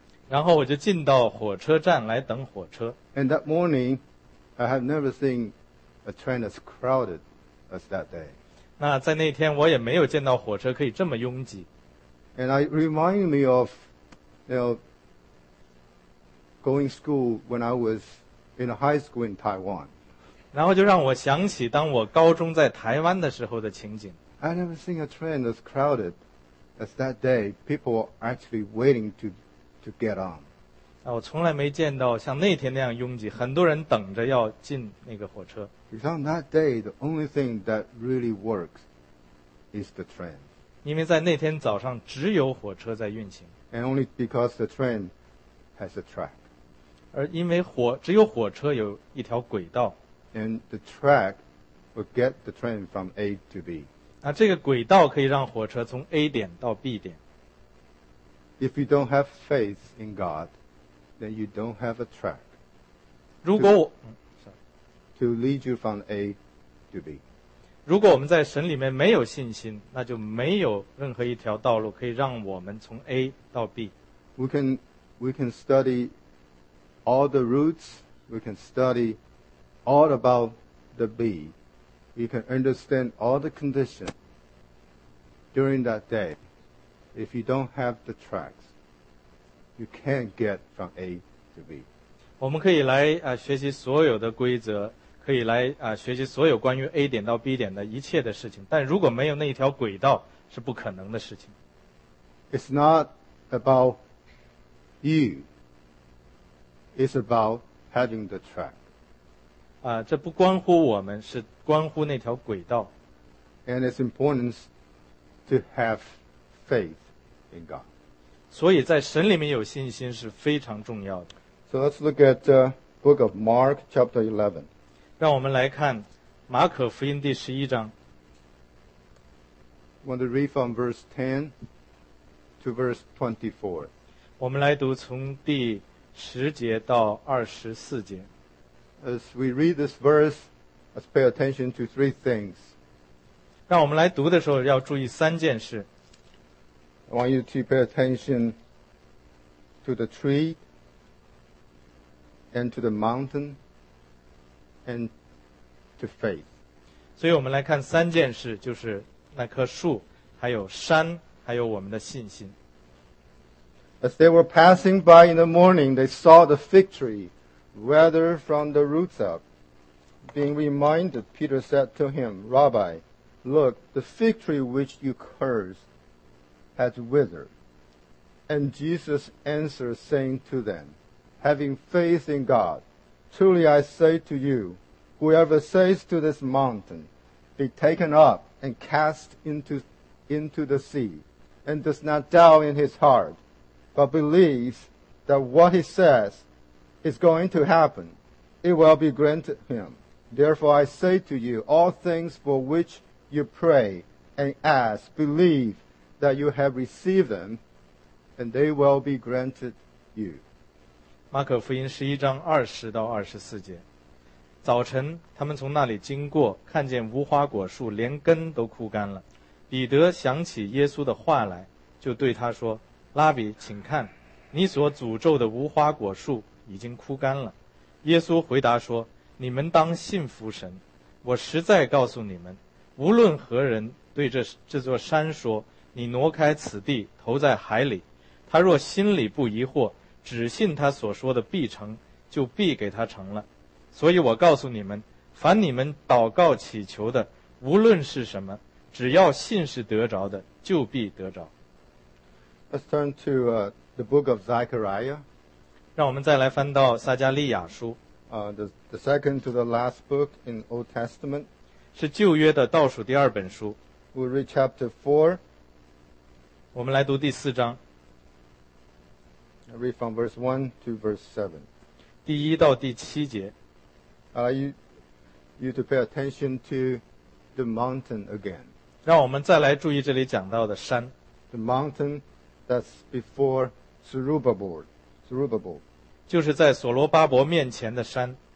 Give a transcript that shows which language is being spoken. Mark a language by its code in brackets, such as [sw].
[zh] 然后我就进到火车站来等火车。 [en] And that morning, I have never seen a train as crowded as that day. [zh] 那在那天我也没有见到火车可以这么拥挤。 [en] And it reminded me of, you know, going to school when I was in high school in Taiwan. [zh] 然后就让我想起当我高中在台湾的时候的情景。 [en] I never seen a train as crowded as that day. People were actually waiting to get on. [zh] 我从来没见到像那天那样拥挤，很多人等着要进那个火车。 [en] Because on that day, the only thing that really works is the train. [zh] 因为在那天早上只有火车在运行。 [en] And only because the train has a track. [zh] 而因为只有火车有一条轨道。 [en] And the track will get the train from A to B. [zh] 那这个轨道可以让火车从 A 点到 B 点。 [en] If you don't have faith in God, then you don't have a track. [zh] 如果我 [en] to lead you from A to B. [zh] 如果我们在神里面没有信心，那就没有任何一条道路可以让我们从 A 到 B. [en] We can study all the routes. We can study all about the B. We can understand all the conditions during that day. If you don't have the tracks, you can't get from A to B. [zh] 我们可以来学习所有的规则，可以来学习所有关于 A 点到 B 点的一切的事情，但如果没有那一条轨道，是不可能的事情。 [en] It's not about you. It's about having the track. [zh] 这不关乎我们，是关乎那条轨道。 [en] And it's important to have faith. [zh] 所以在神里面有信心是非常重要的。 [en] So let's look at the book of Mark chapter 11. [zh] 让我们来看马可福音第十一章。 [en] Want to read from verse 10 to verse 24. [zh] 我们来读从第十节到二十四节。 [en] As we read this verse, let's pay attention to three things. [zh] 让我们来读的时候要注意三件事。 [en] I want you to pay attention to the tree and to the mountain and to faith. [zh] 所以我们来看三件事，就是那棵树，还有山，还有我们的信心。 [en] As they were passing by in the morning, they saw the fig tree withered from the roots up. Being reminded, Peter said to him, Rabbi, look, the fig tree which you cursed,has withered. And Jesus answered, saying to them, having faith in God, truly I say to you, whoever says to this mountain, be taken up and cast into the sea, and does not doubt in his heart, but believes that what he says is going to happen, it will be granted him. Therefore I say to you, all things for which you pray and ask, believe,that you have received them, and they will be granted you. [zh] 马可福音十一章二十到二十四节，早晨他们从那里经过，看见无花果树连根都枯干了。彼得想起耶稣的话来，就对他说：“拉比，请看，你所诅咒的无花果树已经枯干了。” 耶稣回答说：“你们当信服神。我实在告诉你们，无论何人对这座山说，你挪开此地，投在海里。他若心里不疑惑，只信他所说的必成，就必给他成了。所以我告诉你们，凡你们祷告祈求的，无论是什么，只要信是得着的，就必得着。 [en] Let's turn to the book of Zechariah. [zh] 让我们再来翻到撒加利亚书。 [en] The second to the last book in Old Testament. [zh] 是旧约的倒数第二本书。 [en] We'll read chapter 4. [zh] 我们来读第四章。 [en] I read from verse 1 to verse 7. [zh] 第一到第七节。 [en] You to pay attention to the mountain again. [zh] 让我们再来注意这里讲到的山。 [en] The mountain that's before Zerubbabel. [zh] 就是在所罗巴伯面前的山。